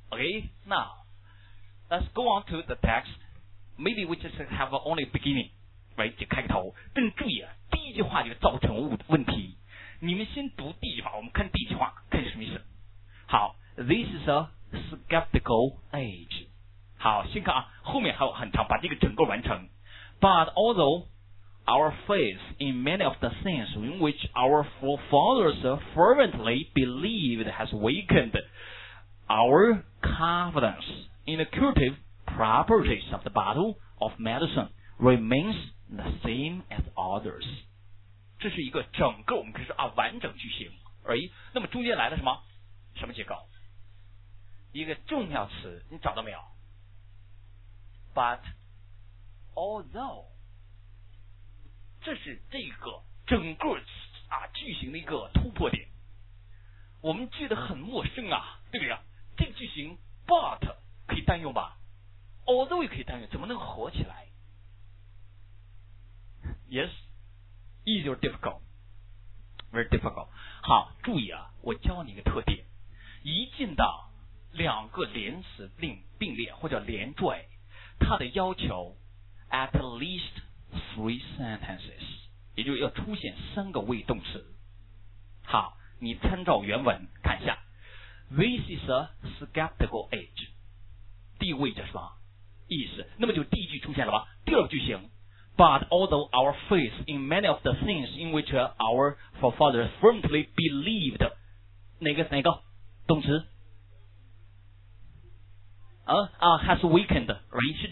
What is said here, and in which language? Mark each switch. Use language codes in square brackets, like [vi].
[en] Okay, now, let's go on to the text. Maybe we just have only beginning, right, [zh] 就开头。但注意啊，第一句话就造成问题。你们先读第一句话，我们看第一句话，看什么意思。 [en] 好， this is a skeptical age. [zh] 好，先看啊，后面还有很长，把这个整个完成。 [en] But alsoour faith in many of the things in which our forefathers fervently believed has weakened our confidence in the curative properties of the bottle of medicine remains the same as others. [zh] 这是一个整个我们可以说啊完整句型而已。那么中间来了什么？什么结构？一个重要词，你找到没有？ [en] But although [zh] 这是这个整个啊句型的一个突破点，我们觉得很陌生啊，对不对啊？这个句型 but 可以单用吧， although 也可以单用，怎么能合起来？ [en] Yes， easy or difficult？ Very difficult。 [zh] 好，注意啊，我教你一个特点，一进到两个连词并列或者连缀，它的要求 [en] at leastthree sentences， [zh] 也就是要出现三个谓动词。好，你参照原文看一下。 [en] This is a skeptical age， [zh] 地位叫什么意思？那么就第一句出现了吧，第二句型。 [en] But although our faith in many of the things in which our forefathers firmly believed， [zh] 哪个动词 [en] has weakened， right？